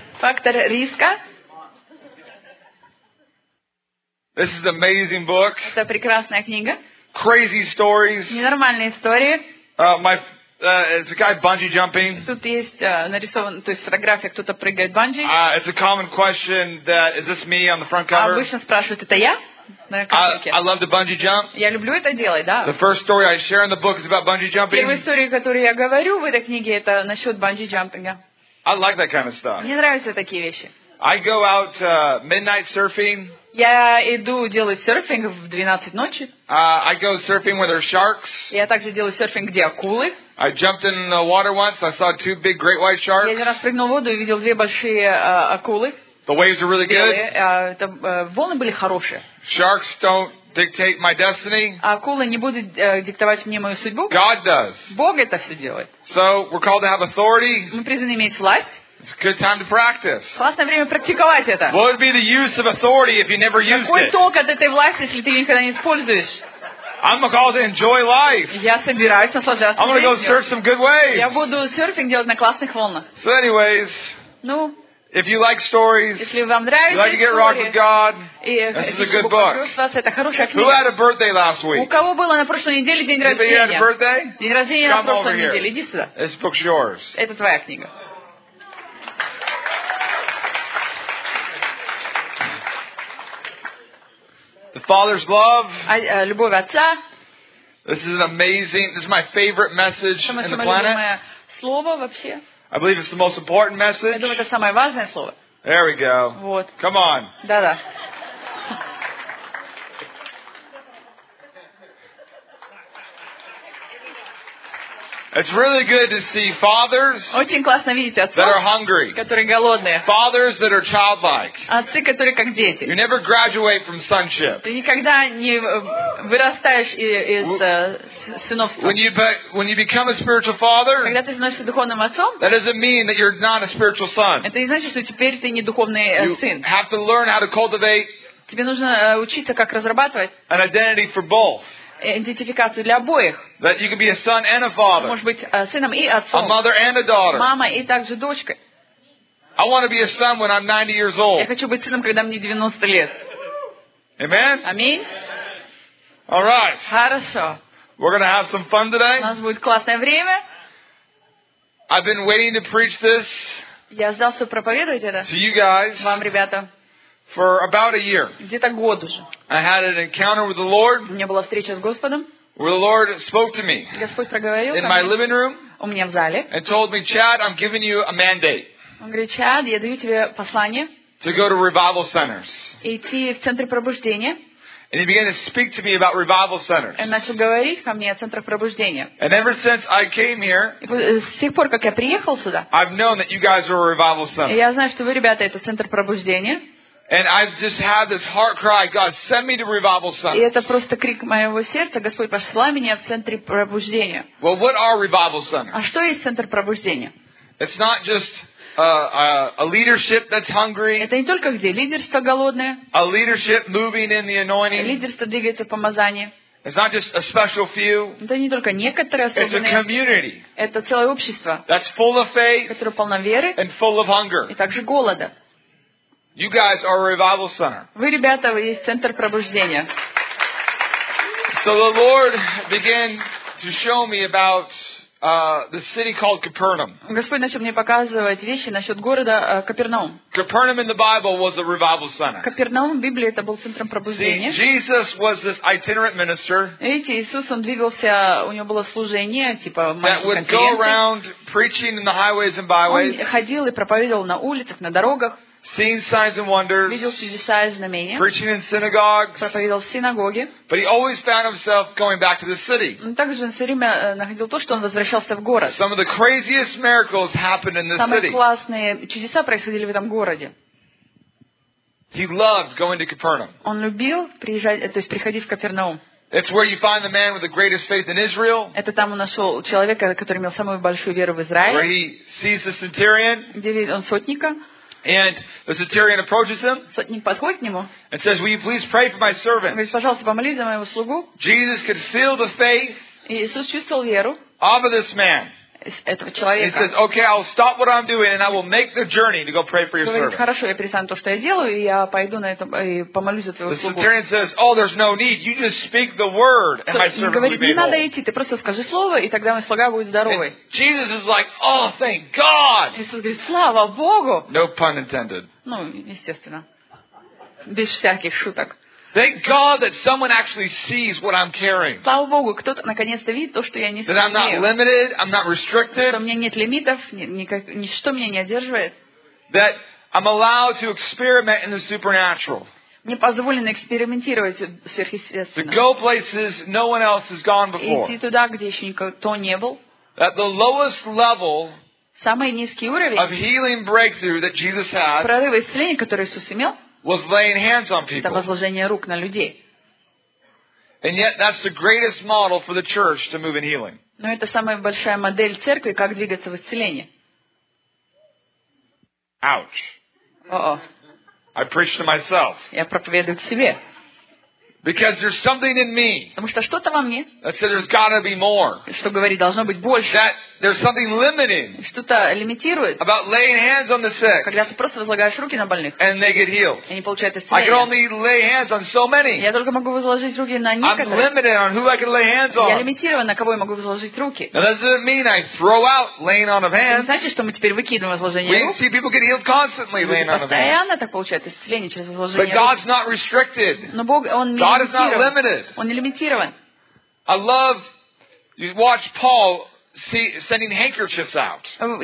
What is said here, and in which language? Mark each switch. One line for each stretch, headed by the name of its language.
Russian: Фактор риска.
English: This is an amazing book.
Russian: Это прекрасная книга.
English: Crazy stories.
Russian: Ненормальные истории.
English: It's a guy bungee jumping.
Russian: Тут есть нарисован, то есть фотография, кто-то прыгает банджи.
English: It's a common question that is this me on the front cover?
Russian: Обычно спрашивают, это я?
English: I love to bungee jump.
Russian: Я люблю это делать, да.
English: The first story I share in the book is about bungee jumping.
Russian: Первая история, которую я говорю в этой книге, это насчет
English: bungee jumping. I like that kind of stuff.
Russian: Мне нравятся такие вещи.
English: I go out midnight surfing.
Russian: Я иду делать серфинг в 12 ночи.
English: I go surfing where there are sharks.
Russian: Я также делаю серфинг, где акулы.
English: I jumped in the water once. I saw two big great white sharks.
Russian: Я один раз прыгнул в воду и видел две большие акулы.
English: The waves are really good.
Russian: Волны были хорошие.
English: Sharks don't dictate my destiny.
Russian: Акулы не будут диктовать мне мою судьбу.
English: God does.
Russian: Бог это все делает.
English: So we're called to have authority.
Russian: Мы призваны иметь власть.
English: It's a good time to practice.
Russian: Классное время практиковать это.
English: What would be the use of authority if you never used it?
Russian: Какой толк от этой власти, если ты ее никогда не используешь?
English: I'm called to enjoy life.
Russian: Я собираюсь наслаждаться жизнью.
English: I'm gonna go surf some good waves.
Russian: Я буду серфинг делать на классных волнах.
English: So anyways.
Russian: Ну.
English: If you like stories,
Russian: если вам нравятся
English: you like to get
Russian: истории,
English: rocked with God, this is a good book. Who had a birthday last week?
Russian: У кого было на прошлой неделе день рождения?
English: Had a birthday?
Russian: День рождения
English: Come
Russian: на прошлой неделе. Иди сюда.
English: This book's yours.
Russian: Это твоя книга.
English: The Father's love.
Russian: Любовь отца.
English: This is an amazing. This is my favorite message in the planet.
Russian: Самое любимое слово вообще.
English: I believe it's the most important message.
Russian: Я думаю, это самое важное слово.
English: There we go.
Russian: Вот.
English: Come on.
Russian: Да-да.
English: It's really good to see fathers.
Russian: Очень классно видеть отцов.
English: That are hungry.
Russian: Которые голодные.
English: Fathers that are childlike.
Russian: Отцы, которые как дети.
English: You never graduate from sonship.
Russian: Ты никогда не вырастаешь из сыновства.
English: When you become a spiritual father.
Russian: Когда ты становишься духовным отцом.
English: That doesn't mean that you're not a spiritual son.
Russian: Это не значит, что теперь ты не духовный сын.
English: You have to learn how to cultivate.
Russian: Тебе нужно учиться, как разрабатывать.
English: An identity for both.
Russian: Идентификацию для обоих.
English: That you can be a son and a father.
Russian: Может быть сыном и отцом.
English: A mother and a daughter.
Russian: Мама и также дочкой.
English: I want to be a son when I'm 90 years old.
Russian: Я хочу быть сыном, когда мне 90 лет.
English: Amen. Amen. All right.
Russian: Хорошо.
English: We're going to have some fun today.
Russian: У нас будет классное время.
English: I've been waiting to preach this.
Russian: Я ждал, чтобы проповедовать это.
English: To you guys.
Russian: Вам, ребята.
English: For about a year.
Russian: Где-то год уже.
English: I had an encounter with the Lord.
Russian: У меня была встреча с Господом.
English: Where the Lord spoke to me.
Russian: Господь проговорил
English: in my living room.
Russian: У меня в зале.
English: And told me, Chad, I'm giving you a mandate.
Russian: Он говорит, Чад, я даю тебе послание.
English: To go to revival centers.
Russian: Идти в центры пробуждения.
English: And he began to speak to me about revival centers.
Russian: Он начал говорить ко мне о центрах пробуждения.
English: And ever since I came here,
Russian: с тех пор, как я приехал сюда,
English: I've known that you guys are a revival center.
Russian: Я знаю, что вы, ребята, это центр пробуждения.
English: And I've just had this heart cry, God, send me to revival centers.
Russian: И это просто крик моего сердца, Господь, пошла меня в центре пробуждения.
English: Well, what are revival centers?
Russian: А что есть центр пробуждения?
English: It's not just a leadership that's hungry.
Russian: Это не только где лидерство голодное.
English: A leadership moving in the anointing.
Russian: Лидерство двигается в помазании.
English: It's not just a special few.
Russian: Это не только некоторые особенные.
English: It's a community.
Russian: Это целое общество.
English: That's full of faith.
Russian: Которое полно веры.
English: And full of hunger.
Russian: И также голода.
English: You guys are a revival center.
Russian: Вы, ребята, вы есть центр пробуждения.
English: So the Lord began to show me about the city called Capernaum.
Russian: Господь начал мне показывать вещи насчет города Капернаум.
English: Capernaum in the Bible was a revival center.
Russian: Капернаум в Библии это был центром пробуждения.
English: See, Jesus was this itinerant minister.
Russian: Видите, Иисус он двигался, у него было служение типа маленький.
English: That would go around preaching in the highways and byways.
Russian: Он ходил и проповедовал на улицах, на дорогах.
English: Seeing signs and wonders.
Russian: Видел чудеса и знамения.
English: Preaching in synagogues.
Russian: Проповедовал в синагоге.
English: But he always found himself going back to the city.
Russian: Но также он все время находил то, что он возвращался в город.
English: Some of the craziest miracles happened in the
Russian: Самые
English: city.
Russian: Самые классные чудеса происходили в этом городе.
English: He loved going to Capernaum.
Russian: Он любил приезжать, то есть приходить в Капернаум.
English: It's where you find the man with the greatest faith in Israel.
Russian: Это там он нашел человека, который имел самую большую веру в Израиле.
English: Where he sees the centurion.
Russian: Где он сотника.
English: And the centurion approaches him.
Russian: Сотник подходит к нему.
English: And says, "Will you please pray for my servant?"
Russian: Он говорит, пожалуйста, помолись за моего слугу.
English: Jesus could feel the faith.
Russian: Иисус чувствовал веру.
English: Of this man.
Russian: Этого человека.
English: He says, "Okay, I'll stop what I'm doing and I will make the journey to go pray for your servant."
Russian: Хорошо, я перестану то, что я делаю, и я пойду на этом и помолюсь за твоего слугу.
English: The centurion says, "Oh, there's no need. You just speak the word, and my servant will be whole."
Russian: Не надо идти, ты просто скажи слово, и тогда мой слуга будет здоровый.
English: Jesus is like, "Oh, thank God!"
Russian: Иисус говорит, слава Богу.
English: No pun intended.
Russian: Ну, естественно, без всяких шуток.
English: Thank God that someone actually sees what I'm carrying.
Russian: Слава Богу, кто-то наконец-то видит то, что я несу.
English: That I'm not limited, I'm not restricted.
Russian: Что у меня нет лимитов, ничто меня не одерживает.
English: That I'm allowed to experiment in the supernatural.
Russian: Мне позволено экспериментировать сверхъестественно.
English: To go places no one else has gone before.
Russian: Идти туда, где еще никто не был.
English: At the lowest level.
Russian: Самый низкий уровень.
English: Of healing breakthrough that Jesus had.
Russian: Прорыв исцеления, который Иисус имел.
English: Was laying hands on people.
Russian: Это возложение рук на людей.
English: And yet, that's the greatest model for the church to move in healing.
Russian: Но это самая большая модель церкви, как двигаться в исцелении.
English: Ouch. Uh-oh. I preach to myself.
Russian: Я проповедую к себе.
English: Because there's something in me.
Russian: Потому что что-то во мне.
English: That said, there's got to be more.
Russian: Что говорит, должно быть больше.
English: That there's something limiting.
Russian: Что-то лимитирует.
English: About laying hands on the sick.
Russian: Когда ты просто возлагаешь руки на больных.
English: And they get healed.
Russian: И они получают исцеление.
English: I can only lay hands on so many.
Russian: Я только могу возложить руки на некоторых.
English: I'm limited on who I can lay hands on.
Russian: Я лимитирован, на кого я могу возложить руки.
English: Now that doesn't mean I throw out laying on of hands.
Russian: Это значит, что мы теперь выкидываем возложение рук.
English: We see people get healed constantly laying on of hands.
Russian: Постоянно так получают исцеление через возложение рук.
English: But God's not restricted.
Russian: Но Бог, он не
English: God is not limited.
Russian: Он не лимитирован.
English: I love you watch Paul see, sending handkerchiefs out.